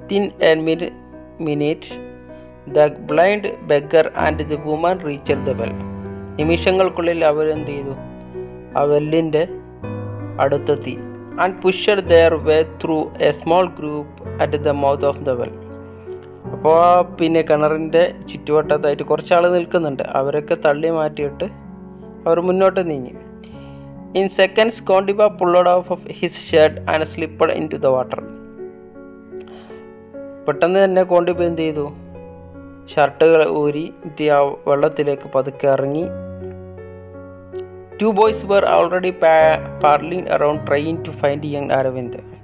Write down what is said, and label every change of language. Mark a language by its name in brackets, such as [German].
[English] Within a minute the blind beggar and the woman reached the bell. [Malayalam] നിമിഷങ്ങൾക്കുള്ളിൽ അവരെന്ത് ചെയ്തു, ആ വെല്ലിൻ്റെ അടുത്തെത്തി. [English] And pushed their way through a small group at the mouth of the well. [Malayalam] അപ്പോൾ പിന്നെ കിണറിൻ്റെ ചുറ്റുവട്ടത്തായിട്ട് കുറച്ചാൾ നിൽക്കുന്നുണ്ട്, അവരൊക്കെ തള്ളി മാറ്റിയിട്ട് അവർ മുന്നോട്ട് നീങ്ങി. [English] In seconds Kondiba pulled off his shirt and slipped into the water. [Malayalam] പെട്ടെന്ന് തന്നെ കോണ്ടിബ എന്ത് ചെയ്തു, ഷർട്ടുകൾ ഊരി ആ വെള്ളത്തിലേക്ക് പതുക്കെ ഇറങ്ങി. [English] Two boys were already paddling around trying to find young Aravind.